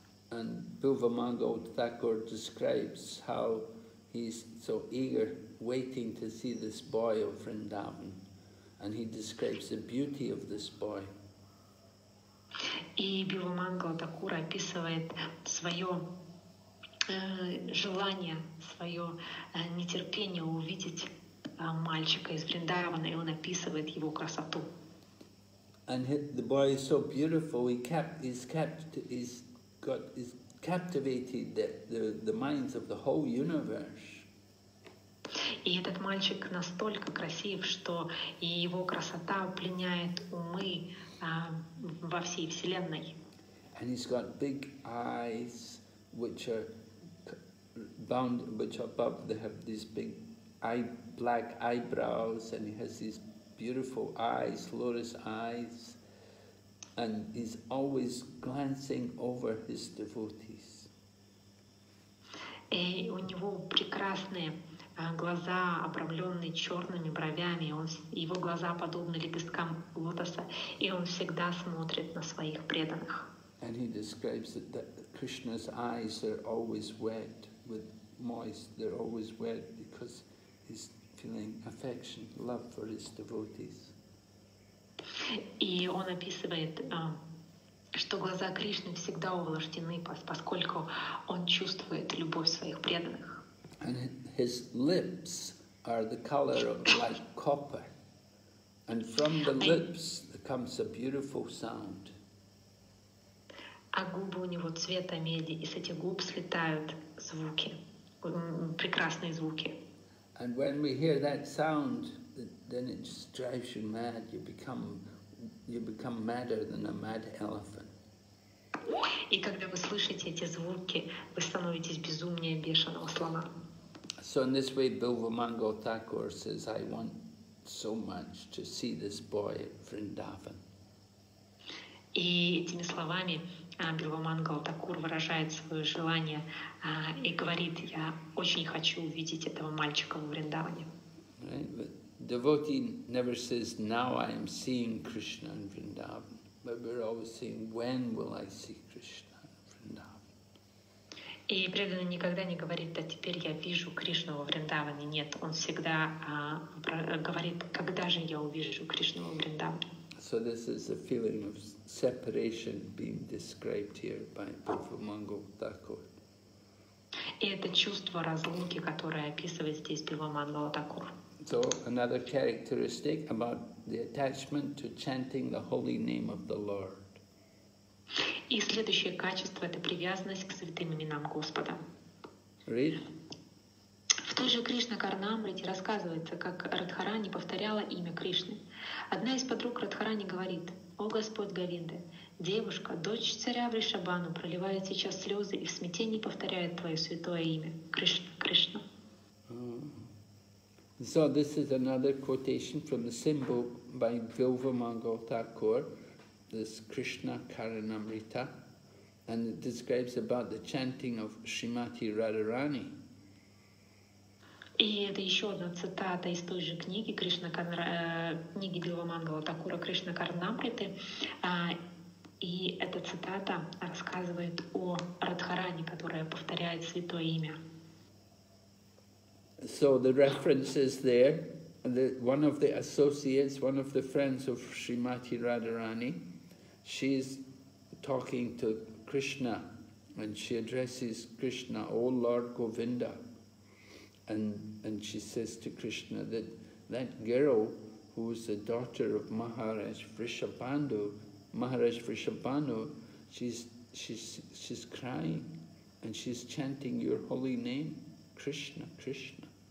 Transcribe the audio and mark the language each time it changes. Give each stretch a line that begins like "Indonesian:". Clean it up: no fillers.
English: And Билвамангал Такур describes how he's so eager, waiting to see this boy of Vrindavan, and he describes the beauty of this boy.
Russian: И Билвамангал Такур описывает свое желание, свое нетерпение увидеть мальчика из Вриндавана, и он описывает его красоту.
English: And the boy is so beautiful, he's captivated the minds of the whole universe.
Russian: И этот мальчик настолько красив, что и его красота пленяет умы во всей вселенной.
English: And he's got big eyes, which are bound, which above they have these big black eyebrows, and he has these beautiful eyes, lotus eyes, and he's always glancing over his devotees.
Russian: И у него прекрасные глаза, обрамленные черными бровями. Его глаза подобны лепесткам лотоса, и он всегда смотрит на своих преданных.
English: And he describes that Krishna's eyes are always wet. With moist, they're always wet because he's feeling affection, love for his devotees.
Russian: И он описывает, что глаза Кришны всегда увлажнены, поскольку он чувствует любовь своих преданных.
English: And his lips are the color of like copper, and from the lips comes a beautiful sound.
Russian: А губы у него цвета меди, и с этих губ слетают звуки, прекрасные звуки.
English: And when we hear that sound, then it just drives you mad. You become madder than a mad elephant.
Russian: И когда вы слышите эти звуки, вы становитесь безумнее бешеного слона.
English: So in this way, Билвамангал Такур says, "I want so much to see this boy Vrindavan."
Russian: И этими словами Билвамангал Такур выражает свое желание и говорит: «Я очень хочу увидеть этого мальчика в Вриндаване».
English: Devotee never says, "Now I am seeing Krishna in Vrindavan," but we're always saying, "When will I see Krishna in Vrindavan?"
Russian: И преданный никогда не говорит: «Да теперь я вижу Кришну во Вриндаване». Нет, он всегда говорит: «Когда же я увижу Кришну во Вриндаване?»
English: So this is a feeling of separation being described here by Билвамангал Такур.
Russian: И это чувство разлуки, которое описывает здесь Билвамангал Такур.
English: So another characteristic about the attachment to chanting the holy name of the Lord.
Russian: И следующее качество — это привязанность к святым именам Господа.
English: Read.
Russian: В той же Кришна Карнамрите рассказывается, как Радхарани повторяла имя Кришны. Одна из подруг Радхарани говорит: «О Господь Говинда, девушка, дочь царя Вришабану, проливает сейчас слезы и в смятении повторяет твое святое имя Кришна, Кришна».
English: So this is another quotation from the same book by Билвамангал Такур, this Krishna Karanamrita, and it describes about the chanting of Shrimati Radharani.
Russian: И это еще одна цитата из той же книги Кришна книги Билвамангала Такура Кришна Карнамриты. И эта цитата рассказывает о Радхаране, которая повторяет святое имя
English: So the reference is there. The, one of the associates, one of the friends of Srimati Radharani, she's talking to Krishna, and she addresses Krishna, O Lord Govinda. And she says to Krishna that that girl who is the daughter of Maharaj Vrishabhanu, she's crying and she's chanting your holy name, Krishna, Krishna.